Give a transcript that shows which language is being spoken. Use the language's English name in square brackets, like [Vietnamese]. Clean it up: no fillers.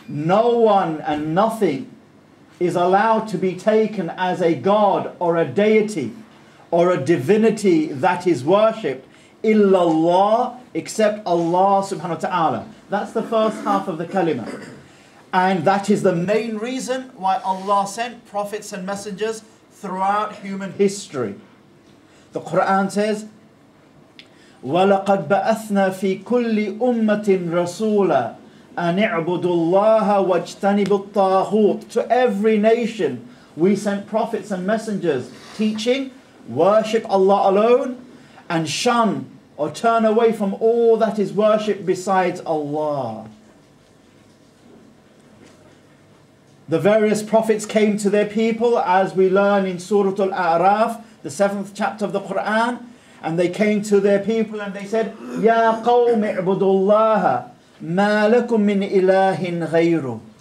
[English] No one and nothing is allowed to be taken as a god or a deity or a divinity that is worshipped. Illallah, except Allah subhanahu wa ta'ala. That's the first half of the kalima. And that is the main reason why Allah sent prophets and messengers throughout human history. [Arabic] The Quran says, وَلَقَدْ بَأَثْنَا فِي كُلِّ أُمَّةٍ رَسُولًا أَنِ اعْبُدُ اللَّهَ وَاجْتَنِبُ الطَّاغُوتِ. [English] To every nation, we sent prophets and messengers teaching, worship Allah alone, and shun or turn away from all that is worshipped besides Allah. The various prophets came to their people, as we learn in Surah Al-A'raf, the 7th chapter of the Qur'an, and they came to their people and they said, [Arabic] Ya qawmi i'budullaha ma lakum min ilahin ghayru.